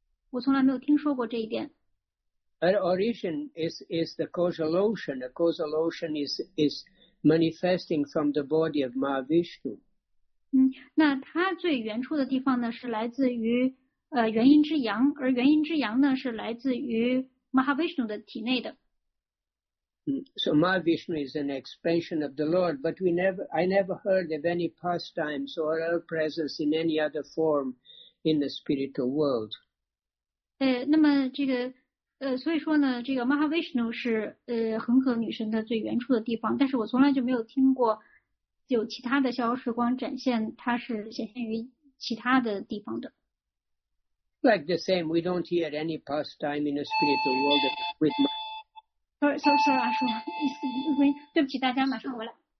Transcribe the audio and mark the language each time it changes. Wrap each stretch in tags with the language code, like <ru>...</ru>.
<zh>我从来没有听说过这一点。</zh> <en>Our origin is the causal ocean. The causal ocean is manifesting from the body of Mahavishnu.</en> <zh>那它最原初的地方呢是来自于元婴之阳，而元婴之阳呢是来自于 Mahavishnu 的体内的。</zh> <en>So Mahavishnu is an expansion of the Lord, but I never heard of any pastimes or our presence in any other form in the spiritual world.</en> <zh>那么这个。所以说呢，这个 Mahavishnu 是恒河女神的最原初的地方，但是我从来就没有听过有其他的逍遥时光展现它是显现于其他的地方的。</zh> <en>Like the same, we don't hear any pastime in the spiritual world with my.</en> <zh>Sorry, 阿叔，对不起，大家马上回来。</zh>